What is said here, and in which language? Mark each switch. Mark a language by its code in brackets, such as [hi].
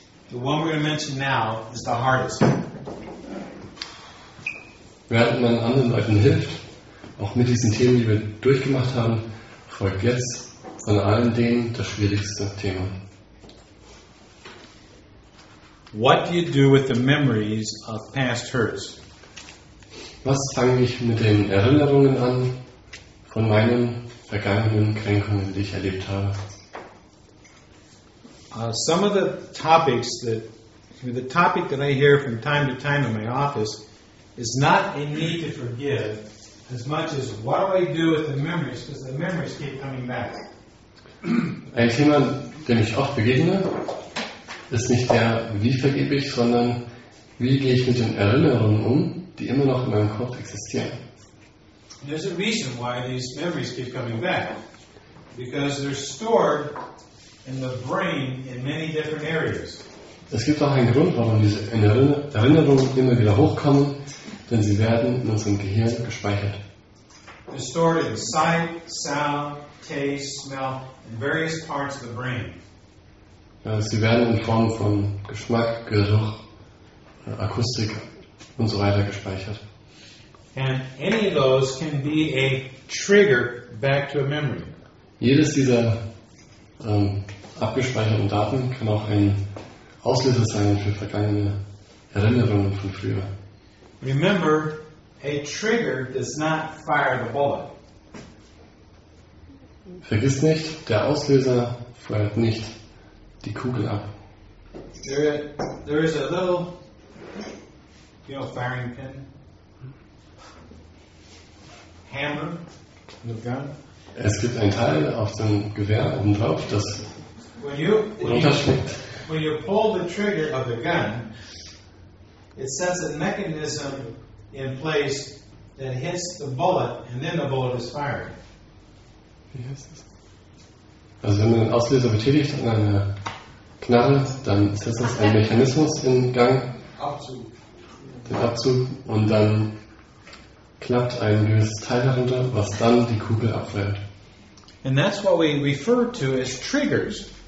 [en] The one we're going to mention now is the hardest. [de] Während man anderen Leuten hilft, auch mit diesen Themen, die wir durchgemacht haben, folgt jetzt von allen denen das schwierigste Thema. [en] What do you do with the memories of past hurts? [de] Was fange ich mit den Erinnerungen an? Von meinen vergangenen Kränkungen, die ich erlebt habe. [en] Some of the topics that the topic that I hear from time to time in my office is not a need to forgive as much as what do I do with the memories, because the memories keep coming back. [de] Ein Thema, dem ich oft begegne, ist nicht der, wie vergebe ich, sondern wie gehe ich mit den Erinnerungen um, die immer noch in meinem Kopf existieren. [en] There's a reason why these memories keep coming back. Because they're stored in the brain in many different areas. [de] Es gibt auch einen Grund, warum diese Erinnerungen immer wieder hochkommen, denn sie werden in unserem Gehirn gespeichert. [en] They're stored in sight, sound, taste, smell, in various parts of the brain. [de] Ja, sie werden in Form von Geschmack, Geruch, Akustik und so weiter gespeichert. [en] And any of those can be a trigger back to a memory. [de] Jedes dieser abgespeicherten Daten kann auch ein Auslöser sein für vergangene Erinnerungen von früher. [en] Remember, a trigger does not fire the bullet. [de] Vergiss nicht, der Auslöser feuert nicht die Kugel ab. [en] There is a little, you know, firing pin. Hammer, the gun. [de] Es gibt ein Teil auf dem Gewehr oben drauf, das runterschlägt. [en] When you pull the trigger of the gun, it sets a mechanism in place that hits the bullet and then the bullet is fired. [de] Wie heißt das? Also wenn man den Auslöser betätigt und eine Knarre, dann setzt das einen Mechanismus in Gang. Abzug. Den Abzug und dann klappt ein gewisses Teil darunter, was dann die Kugel abfeuert. [en] And that's what we refer to as triggers.